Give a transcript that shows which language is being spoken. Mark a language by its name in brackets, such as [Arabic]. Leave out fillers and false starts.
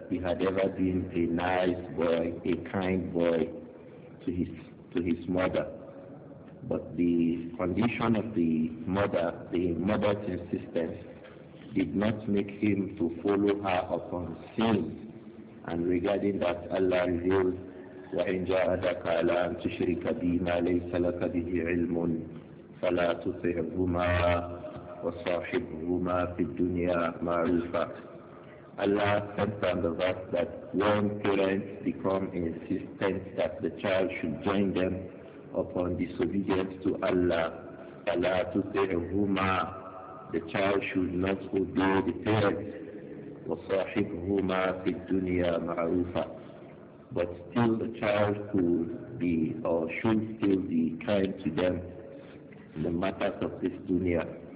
[English] He had ever been a nice boy, a kind boy to his mother. But the condition of the mother's insistence, did not make him to follow her upon sin. And regarding that, Allah revealed, [Arabic] وَإِنْ جَاءَكَ عَلَىٰ أَنْ تُشْرِكَ بِي مَا لَيْسَ لَكَ بِهِ عِلْمٌ فَلَا تُطِعْهُمَا وَصَاحِبْهُمَا فِي الدُّنْيَا مَعْرُوفًا. [English] Allah sent down the verse that when parents become insistent that the child should join them upon disobedience to Allah, [Arabic] فَلَا تُطِعْهُمَا, [English] the child should not obey the parents, [Arabic] وَصَاحِبْهُمَا فِي الدُّنْيَا مَعْرُوفًا, [English] but still the child could be or should still be kind to them in the matters of this dunya.